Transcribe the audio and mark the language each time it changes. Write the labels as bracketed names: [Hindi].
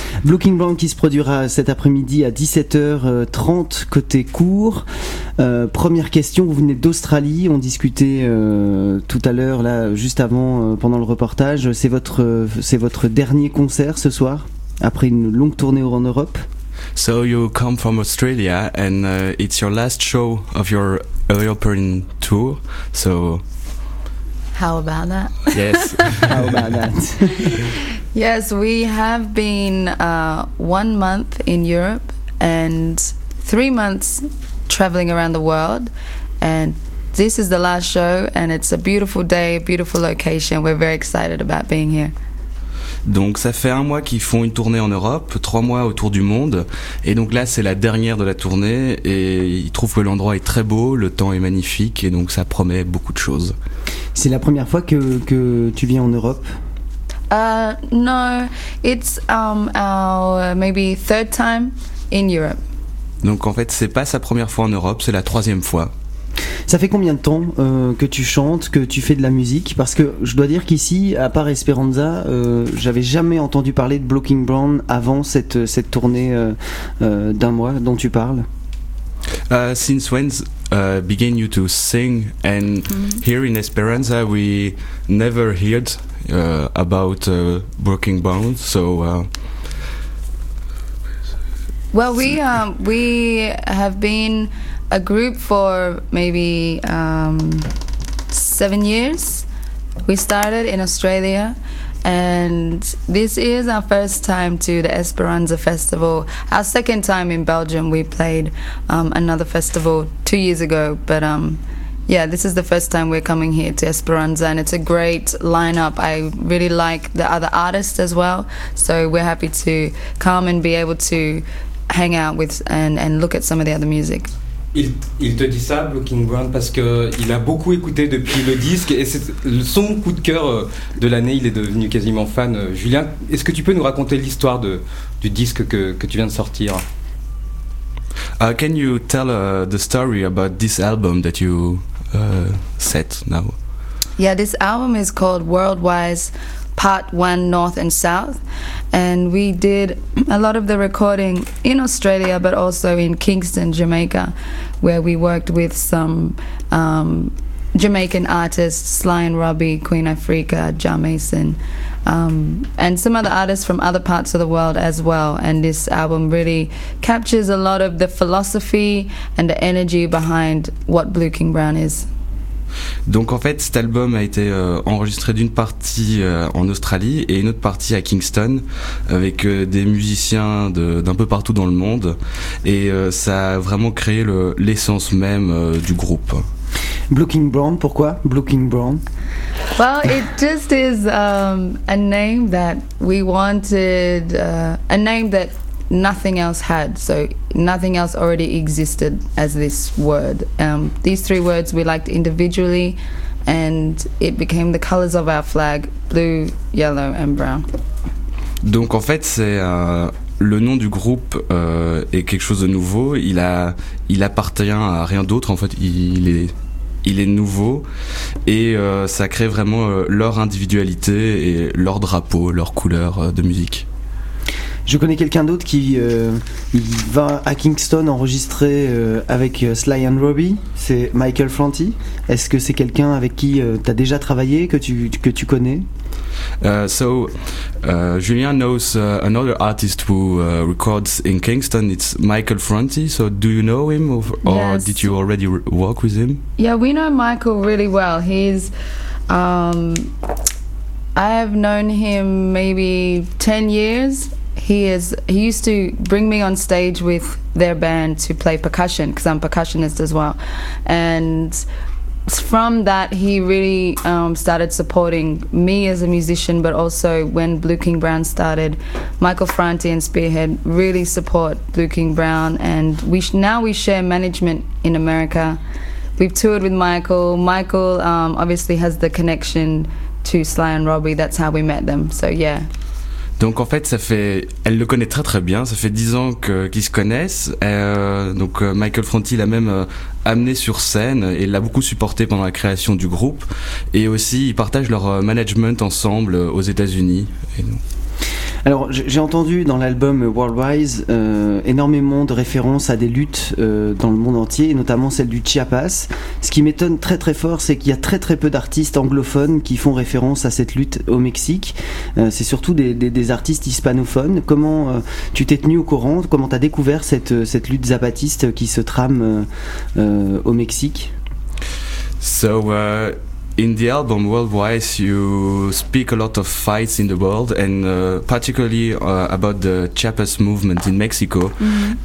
[French] Blue King Brown qui se produira cet après-midi à 17h30 côté cours. Première question, vous venez d'Australie, on discutait tout à l'heure, là, juste avant, pendant le reportage. C'est votre dernier concert ce soir, après une longue tournée en Europe. [English] So you come from Australia and it's your last show of your European tour, so... How about that? Yes. How about that? Yes, we have been 1 month in Europe and 3 months traveling around the world. And this is the last show and it's a beautiful day, beautiful location. We're very excited about being here. [French] Donc ça fait un mois qu'ils font une tournée en Europe, 3 mois autour du monde. Et donc là c'est la dernière de la tournée et ils trouvent que l'endroit est très beau, le temps est magnifique et donc ça promet beaucoup de choses. C'est la première fois que tu viens en Europe? [English] No, it's our maybe third time in Europe. [French] Donc en fait c'est pas sa première fois en Europe, c'est la troisième fois. Ça fait combien de temps que tu chantes, que tu fais de la musique? Parce que je dois dire qu'ici, à part Esperanza, j'avais jamais entendu parler de Blue King Brown avant cette tournée d'un mois dont tu parles. [English] Since when began you to sing? And here in Esperanza, we never heard about Blue King Brown. So, well, we have been a group for maybe 7 years. We started in Australia and this is our first time to the Esperanza Festival. Our second time in Belgium, we played another festival 2 years ago, but yeah, this is the first time we're coming here to Esperanza and it's a great lineup. I really like the other artists as well, so we're happy to come and be able to hang out with and look at some of the other music. [French] Il te dit ça, Blue King Brown, parce qu'il a beaucoup écouté depuis le disque et c'est son coup de cœur de l'année, il est devenu quasiment fan. Julien, est-ce que tu peux nous raconter l'histoire du disque que tu viens de sortir? [English] Can you tell the story about this album that you set now? Yeah, this album is called Worldwise Part 1 North and South. And we did a lot of the recording in Australia, but also in Kingston, Jamaica, where we worked with some Jamaican artists, Sly and Robbie, Queen Afrika, Ja Mason, and some other artists from other parts of the world as well. And this album really captures a lot of the philosophy and the energy behind what Blue King Brown is. [French] Donc en fait cet album a été enregistré d'une partie en Australie et une autre partie à Kingston avec des musiciens d'un peu partout dans le monde et ça a vraiment créé l'essence même du groupe. Blue King Brown, pourquoi Blue King Brown? [English] Well, it just is a name that we wanted, a name that nothing else had, so nothing else already existed as this word. These three words we liked individually and it became the colors of our flag, blue, yellow and brown. [French] Donc en fait c'est le nom du groupe est quelque chose de nouveau, il appartient à rien d'autre en fait, il est nouveau et ça crée vraiment leur individualité et leur drapeau, leur couleur de musique. Je connais quelqu'un d'autre qui va à Kingston enregistrer avec Sly and Robbie, c'est Michael Franti. Est-ce que c'est quelqu'un avec qui tu as déjà travaillé, que tu connais? [English] So Julien knows another artist who records in Kingston, it's Michael Franti. So do you know him or yes. Did you already work with him? Yeah, we know Michael really well. He's I have known him maybe 10 years. He used to bring me on stage with their band to play percussion, because I'm a percussionist as well. And from that, he really started supporting me as a musician, but also when Blue King Brown started, Michael Franti and Spearhead really support Blue King Brown. And we now we share management in America, We've toured with Michael. Michael obviously has the connection to Sly and Robbie. That's how we met them. So yeah. [French] Donc en fait, ça fait, elle le connaît très très bien. Ça fait 10 ans qu'ils se connaissent. Donc Michael Franti l'a même amené sur scène et l'a beaucoup supporté pendant la création du groupe. Et aussi, ils partagent leur management ensemble aux États-Unis. Et nous. Alors, j'ai entendu dans l'album Worldwise énormément de références à des luttes dans le monde entier, et notamment celle du Chiapas. Ce qui m'étonne très très fort, c'est qu'il y a très très peu d'artistes anglophones qui font référence à cette lutte au Mexique. C'est surtout des artistes hispanophones. Comment tu t'es tenu au courant? Comment tu as découvert cette lutte zapatiste qui se trame au Mexique? [English] So, in the album Worldwise, you speak a lot of fights in the world, and particularly about the Chiapas movement in Mexico. Mm-hmm.